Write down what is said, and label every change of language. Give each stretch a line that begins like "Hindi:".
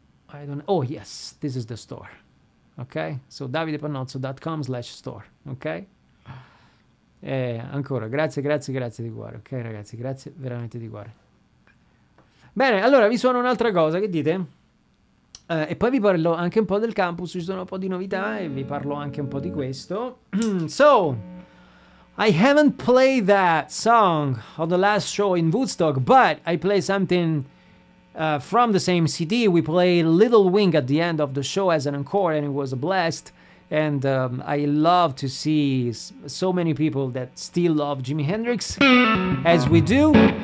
English: I don't know. Oh yes, this is the store. Okay, so davidepannozzo.com/store, ok?
Italian: E ancora, grazie, grazie, grazie di cuore, ok ragazzi? Grazie veramente di cuore. Bene, allora vi suono un'altra cosa, che dite? E poi vi parlo anche un po' del campus, ci sono un po' di novità e vi parlo anche un po' di questo.
English: So, I haven't played that song on the last show in Woodstock, but I play something... from the same CD. We played Little Wing at the end of the show as an encore, and it was a blast. And I love to see so many people that still love Jimi Hendrix, as we do.